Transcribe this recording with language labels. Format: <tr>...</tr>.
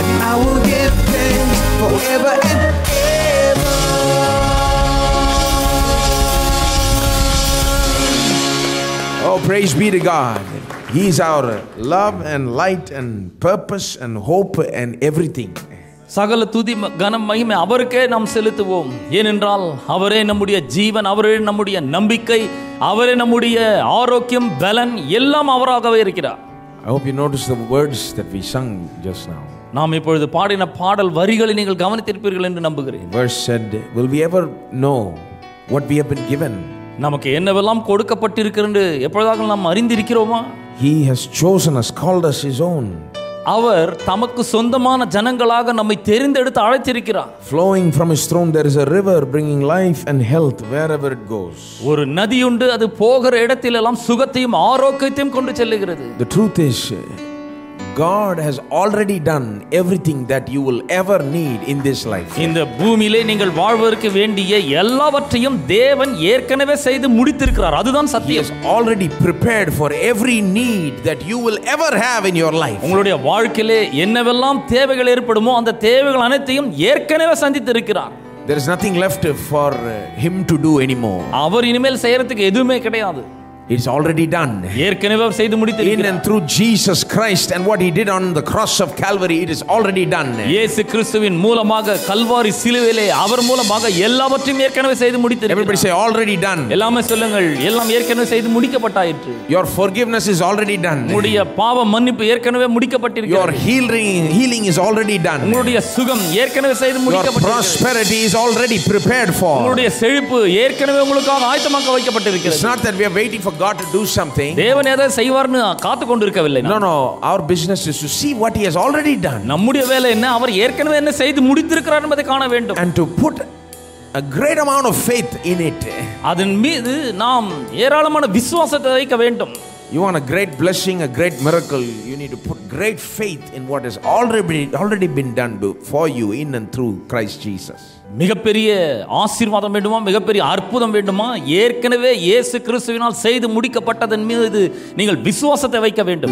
<en>I will give thanks forever and ever. Oh, praise be to God. He's our love and light and purpose and hope and everything.</en> <ta>சகல துதி கன மகிமை அவருக்கே நாம் செலுத்துவோம். ஏனென்றால் அவரே நம்முடைய ஜீவன், அவரே நம்முடைய நம்பிக்கை, அவரே நம்முடைய ஆரோக்கியம், பலன் எல்லாம் அவராகவே இருக்கிறார்.</ta> <en>I hope you noticed the words that we sung just now.</en> <ta>நாம் இப்பொழுது பாடின பாடல் வரிகளை நீங்கள் கவனித்திருப்பீர்கள் என்று நம்புகிறேன்.</ta> <en>Verse said, will we ever know what we have been given?</en> <ta>நமக்கு என்னவெல்லாம் கொடுக்கப்பட்டிருக்கிறது எப்பொழுதாக நாம் அறிந்திருக்கிறோமா?</ta> <en>He has chosen us, called us his own.</en> <ta>அவர் தமக்கு சொந்தமான ஜனங்களாக நம்மை தேர்ந்தெடுத்து அழைத்திருக்கிறார்.</ta> <en>Flowing from his throne there is a river bringing life and health wherever it goes.</en> <ta>ஒரு நதி உண்டு, அது போகிற இடத்திலெல்லாம் சுகத்தையும் ஆரோக்கியத்தையும் கொண்டு செல்கிறது.</ta> <en>The truth is God has already done everything that you will ever need in this life.</en> <ta>இந்த பூமியிலே நீங்கள் வாழ்வதற்கு வேண்டிய எல்லாவற்றையும் தேவன் ஏற்கனவே செய்து முடித்திருக்கிறார். அதுதான் சத்தியம்.</ta> <en>He has already prepared for every need that you will ever have in your life.</en> <ta>உங்களுடைய வாழ்க்கையிலே என்னவெல்லாம் தேவைகள் ஏற்படுமோ அந்த தேவைகள் அனைத்தையும் ஏற்கனவே சந்தித்து இருக்கிறார்.</ta> <en>There is nothing left for him to do anymore.</en> <ta>அவர் இனிமேல் செய்யறதுக்கு எதுவுமே கிடையாது.</ta> <en>It's already done.</en> <ta>ஏற்கனவே செய்து முடித்திருக்கிறார்.</ta> <en>In and through Jesus Christ and what he did on the cross of Calvary, it is already done.</en> <ta>இயேசு கிறிஸ்துவின் மூலமாக கல்வாரி சிலுவையிலே அவர் மூலமாக எல்லாவற்றையும் ஏற்கனவே செய்து முடித்திருக்கிறார்.</ta> <en>Everybody say already done.</en> <ta>எல்லாமே சொல்லுங்கள், எல்லாம் ஏற்கனவே செய்து முடிக்கப்பட்டாயிற்று.</ta> <en>Your forgiveness is already done.</en> <ta>உங்களுடைய பாவ மன்னிப்பு ஏற்கனவே முடிக்கப்பட்டிருக்கிறது.</ta> <en>Your healing is already done.</en> <ta>உங்களுடைய சுகம் ஏற்கனவே செய்து முடிக்கப்பட்டிருக்கிறது.</ta> <en>Your prosperity is already prepared for.</en> <ta>உங்களுடைய செழிப்பு ஏற்கனவே உங்களுக்காக ஆயத்தமாக்க வைக்கப்பட்டிருக்கிறது.</ta> <en>It's not that we are waiting for God to do something.</en> <ta>தேவன் எதை செய்வார்னு காத்து கொண்டிருக்கவில்லை.</ta> <en>No, our business is to see what he has already done.</en> <ta>நம்முடைய வேலை என்ன, அவர் ஏற்கனவே என்ன செய்து முடித்திருக்கிறார் என்பதை காண வேண்டும்.</ta> <en>And to put a great amount of faith in it.</en> <ta>அதன் மீது நாம் ஏராளமான விசுவாசத்தை வைக்க வேண்டும்.</ta> <en>You want a great blessing, a great miracle, you need to put great faith in what has already been done for you in and through Christ Jesus.</en> <ta>மிகப்பெரிய ஆசீர்வாதம் வேண்டுமா, மிகப்பெரிய அற்புதம் வேண்டுமா, ஏற்கனவே இயேசு கிறிஸ்துவினால் செய்து முடிக்கப்பட்டதன் மீது நீங்கள் விசுவாசத்தை வைக்க வேண்டும்.</ta>